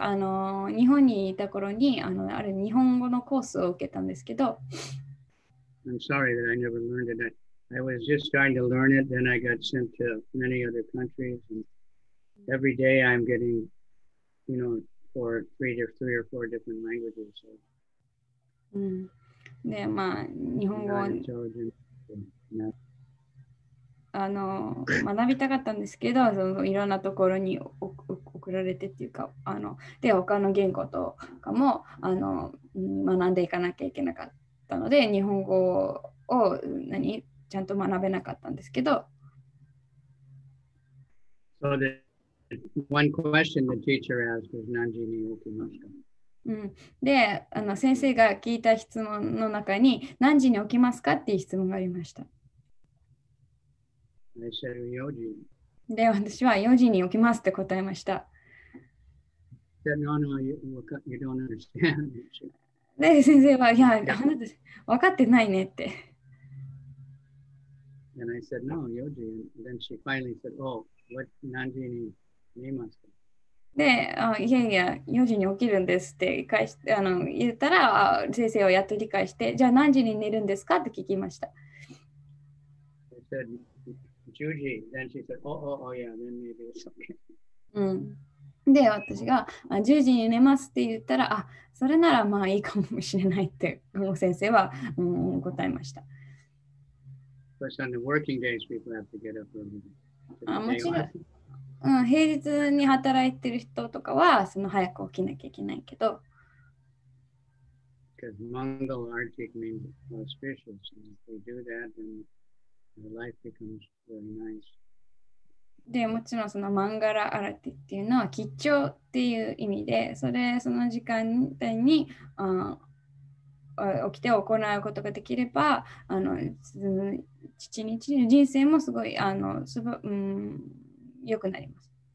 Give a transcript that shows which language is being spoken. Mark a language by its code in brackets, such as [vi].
[ja] 日本にいた頃にある日本語のコースを受けたんですけど。 [en] I'm sorry that I never learned it. I was just starting to learn it, then I got sent to many other countries, and every day I'm getting, you know, for three or four different languages. So. [ja] で、まあ、日本語を、学びたかったんですけど、そのいろんなところに送られてっていうか、で、他の言語とかも、学んでいかなきゃいけなかったので、日本語を、ちゃんと学べなかったんですけど。 [en] So the one question the teacher asked was [ja] 何時に起きますか。で、先生が聞いた質問の中に何時に起きますかっていう質問がありました。 [en] I said 4時。 [ja] で、私は4時に起きますって答えました。 [en] I said, no, no, you don't understand. [ja] で、先生は、いや、あなた、分かってないねって。 [en] And I said, no, Yoji. And then she finally said, oh, what [ja] 何時に寝ますか? で、いやいや、4時に起きるんですって返し、言ったら、先生をやっと理解して、じゃあ何時に寝るんですかって聞きました。 [en] I said, 10時. Then she said, oh, yeah, then maybe it's okay. [ja] で、私が10時に寝ますって言ったら、あ、それならまあいいかもしれないって、先生は、答えました。 [en] course, on the working days, people have to get up early. [ja] もちろん、うん、平日に働いてる人とかはその早く起きなきゃいけないけど。 [en] Because Mangal Arctic means auspicious. If we do that, then the life becomes very nice. [ja] でもちろんそのマンガラアラティっていうのは吉兆っていう意味で、それその時間帯に、起きて行うことができれば、あの一日の人生もすごいうん、よくなります。